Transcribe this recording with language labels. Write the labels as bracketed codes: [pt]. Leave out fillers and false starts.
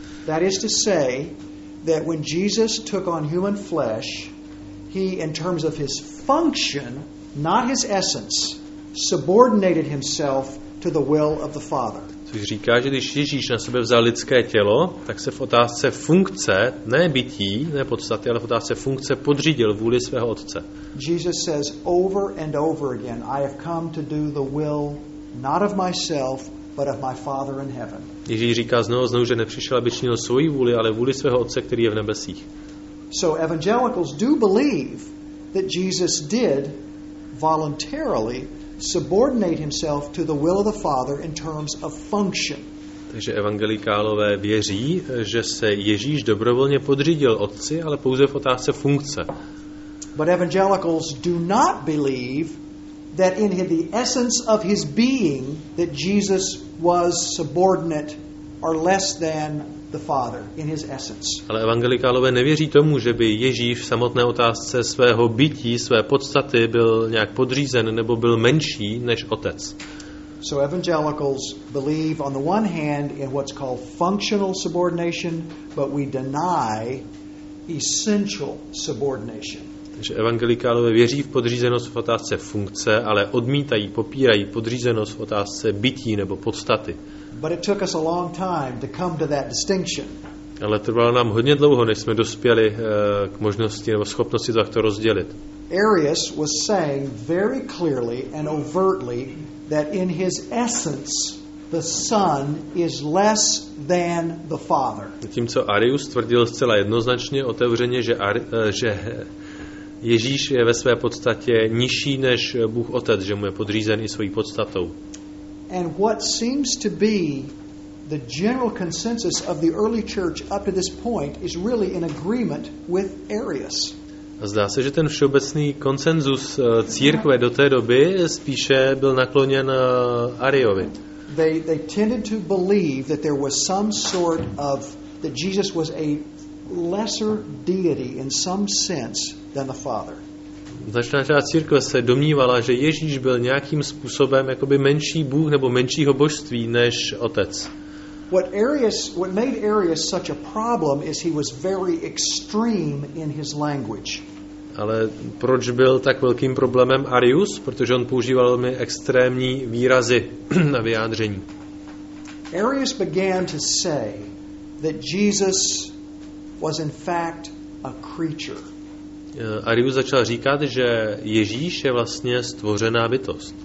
[en] That is to say that when Jesus took on human flesh, he, in terms of his function, not his essence, subordinated himself to the will of the Father. [cs] Což říká, že když Ježíš na sebe vzal lidské tělo, tak se v otázce funkce, ne bytí, ne podstaty, ale v otázce funkce podřídil vůli svého Otce. [en] Jesus says over and over again, I have come to do the will not of myself, but of my Father in heaven. [cs] Ježíš říká znovu, že nepřišel, aby činil svoji vůli, ale vůli svého Otce, který je v nebesích. [en] So evangelicals do believe that Jesus did voluntarily subordinate himself to the will of the Father in terms of function. [cs] Takže evangelikálové věří, že se Ježíš dobrovolně podřídil Otci, ale pouze v otázce funkce. [en] But evangelicals do not believe that in the essence of his being that Jesus was subordinate or less than the Father in his essence. [cs] Ale evangelikálové nevěří tomu, že by Ježíš v samotné otázce svého bytí, své podstaty byl nějak podřízen nebo byl menší než Otec. [en] So evangelicals believe on the one hand in what's called functional subordination, but we deny essential subordination. [cs] Takže evangelikálové věří v podřízenost v otázce funkce, ale odmítají, popírají podřízenost v otázce bytí nebo podstaty. [en] But it took us a long time to come to that distinction. [cs] Ale trvalo nám hodně dlouho, než jsme dospěli k možnosti nebo schopnosti takto rozdělit. [en] Arius was saying very clearly and overtly that in his essence the Son is less than the Father. [cs] Zatímco Arius tvrdil zcela jednoznačně, otevřeně, že Ježíš je ve své podstatě nižší než Bůh Otec, že mu je podřízen i svojí podstatou. [en] And what seems to be the general consensus of the early church up to this point is really in agreement with Arius. [cs] Zdá se, že ten všeobecný konsenzus církve do té doby spíše byl nakloněn Ariovi. [en] They tended to believe that there was some sort of that Jesus was a lesser deity in some sense than the Father. [cs] Značná část církve se domnívala, že Ježíš byl nějakým způsobem jakoby menší bůh nebo menšího božství než Otec. [en] What made Arius such a problem is he was very extreme in his language. [cs] Ale proč byl tak velkým problémem Arius? Protože on používal velmi extrémní výrazy na vyjádření. [en] Arius began to say that Jesus was in fact a creature. [cs] Arius začal říkat, že Ježíš je vlastně stvořená bytost.